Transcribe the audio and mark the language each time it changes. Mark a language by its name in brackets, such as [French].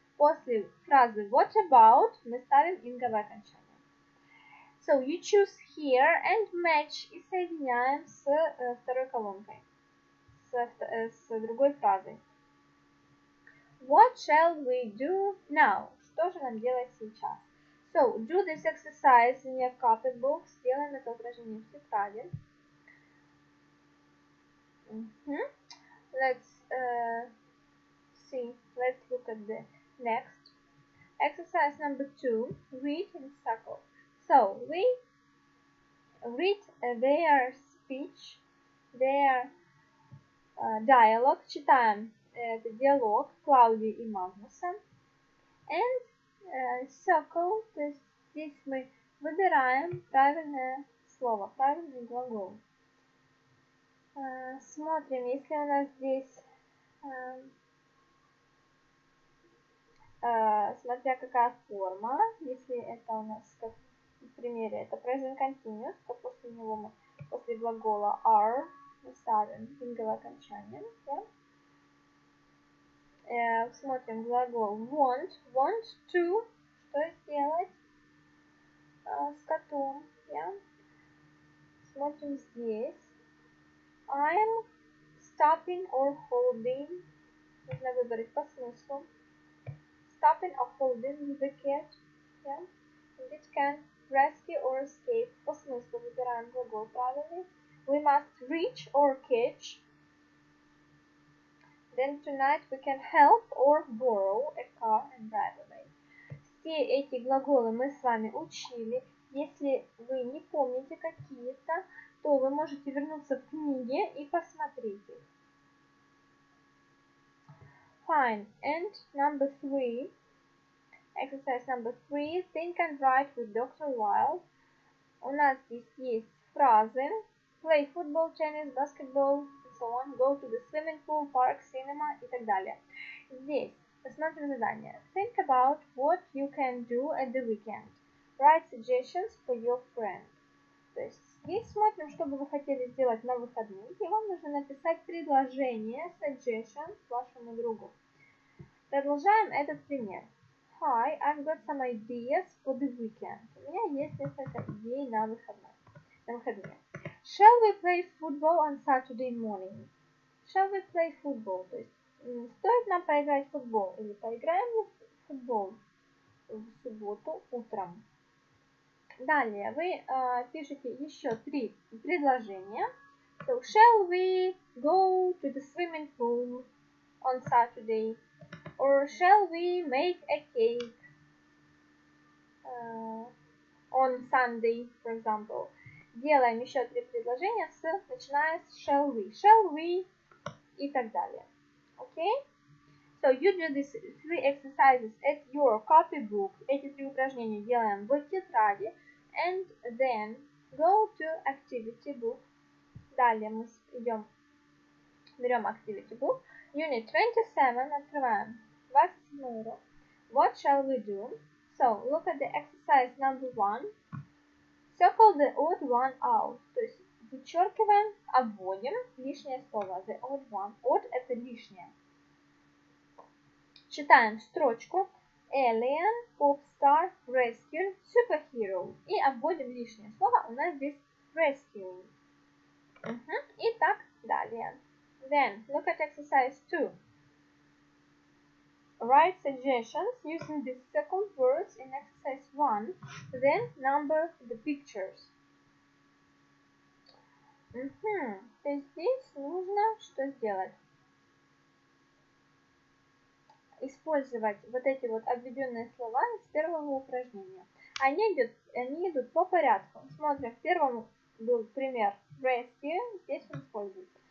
[Russian] После фразы [English] what about [Russian] мы ставим инговое окончание. [English] So, you choose here and match [Russian] и соединяем с второй колонкой, с другой фразой. [English] What shall we do now? [Russian] Что же нам делать сейчас? [English] So, do this exercise in your copy book. [Russian] Сделаем это упражнение в тетради. [English] Let's look at the next. Exercise number 2. Read and circle. [Russian] So, we read their speech, their dialogue. Читаем это диалог Клаудии и Магнуса. [English] And circle, [Russian] то есть здесь мы выбираем правильное слово, правильный глагол. Смотрим, если у нас здесь, смотря какая форма, если это у нас, как в примере, это present continuous, то после него мы, после глагола are, мы ставим single окончание. Смотрим глагол want, want to, что сделать с котом. Смотрим здесь. [English] I'm stopping or holding. [Russian] Нужно выбрать по смыслу. [English] Stopping or holding the cat. Yeah. And it can rescue or escape. [Russian] По смыслу выбираем глагол правильный. [English] We must reach or catch. Then tonight we can help or borrow a car and drive away. [Russian] Все эти глаголы мы с вами учили. Если вы не помните какие-то, то вы можете вернуться в книге и посмотреть их. [English] Fine. And number three. Exercise number three. Think and write with Dr. Wild. [Russian] У нас здесь есть фразы. [English] Play football, tennis, basketball, and so on. Go to the swimming pool, park, cinema [Russian] и так далее. Здесь. Посмотрим задание. [English] Think about what you can do at the weekend. Write suggestions for your friend. [Russian] То есть здесь смотрим, что бы вы хотели сделать на выходных, и вам нужно написать предложение, suggestion, вашему другу. Продолжаем этот пример. [English] Hi, I've got some ideas for the weekend. [Russian] У меня есть несколько идей на выходные. [English] Shall we play football on Saturday morning? Shall we play football? [Russian] То есть, стоит нам поиграть в футбол? Или поиграем в футбол в субботу утром? Далее вы пишете еще три предложения. [English] So, shall we go to the swimming pool on Saturday? Or shall we make a cake on Sunday, for example? [Russian] Делаем еще три предложения, начиная с shall we. [English] Shall we [Russian] и так далее. [English] Okay? So, you do these three exercises at your copybook. [Russian] Эти три упражнения делаем в тетради. [English] And then go to activity book. [Russian] Далее мы идем, берем activity book. Unit 27, открываем. 27 урок. [English] What shall we do? So, look at the exercise number 1. Circle the odd one out. [Russian] То есть вычеркиваем, обводим лишнее слово. [English] The odd one. [Russian] Odd – это лишнее. Читаем строчку. [English] Alien, pop star, rescue, superhero. [Russian] И обводим лишнее слово. У нас здесь rescue. И так далее. [English] Then, look at exercise 2. Write suggestions using the second words in exercise 1. Then, number the pictures. [Russian] То есть здесь нужно что сделать? Использовать вот эти вот обведенные слова из первого упражнения. Они идут по порядку. Смотрим, в первом был пример rescue, здесь он использует.